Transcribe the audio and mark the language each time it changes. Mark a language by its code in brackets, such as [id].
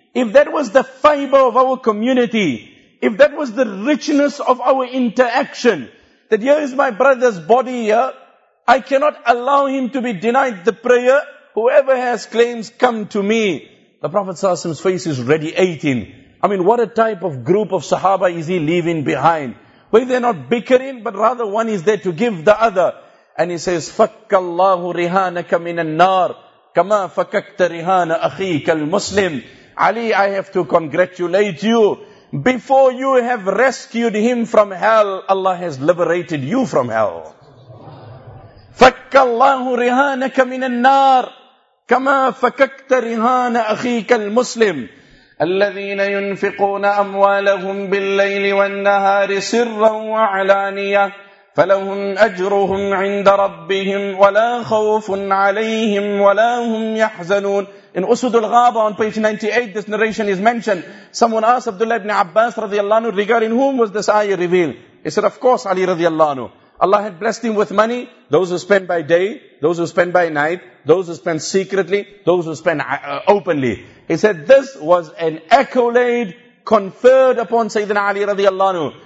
[en] If that was the fiber of our community, if that was the richness of our interaction, that here is my brother's body here, I cannot allow him to be denied the prayer, whoever has claims, come to me. The Prophet ﷺ's face is radiating. I mean, what a type of group of Sahaba is he leaving behind? Where they're not bickering, but rather one is there to give the other. And he says, [ar] "فَكَّ اللَّهُ رِهَانَكَ مِنَ النَّارِ كَمَا فَكَكْتَ رِهَانَ أَخِيكَ الْمُسْلِمِ [en] Ali, I have to congratulate you. Before you have rescued him from hell, Allah has liberated you from hell. [ar] فَكَّ اللَّهُ رِهَانَكَ مِنَ النَّارِ كَمَا فَكَكْتَ رِهَانَ أَخِيكَ الْمُسْلِمِ الَّذِينَ يُنْفِقُونَ أَمْوَالَهُمْ بِاللَّيْلِ وَالنَّهَارِ سِرًّا وَعْلَانِيَةً فَلَهُمْ أَجْرُهُمْ عِنْدَ رَبِّهِمْ وَلَا خَوْفٌ عَلَيْهِمْ وَلَا هُمْ يَحْزَنُونَ [en] In Usudul Ghaba on page 98, this narration is mentioned. Someone asked Abdullah ibn Abbas radiallahu anhu, regarding whom was this ayah revealed? He said, "Of course, Ali radiallahu anhu. Allah had blessed him with money, those who spend by day, those who spend by night, those who spend secretly, those who spend openly." He said, this was an accolade conferred upon Sayyidina Ali radiallahu anhu.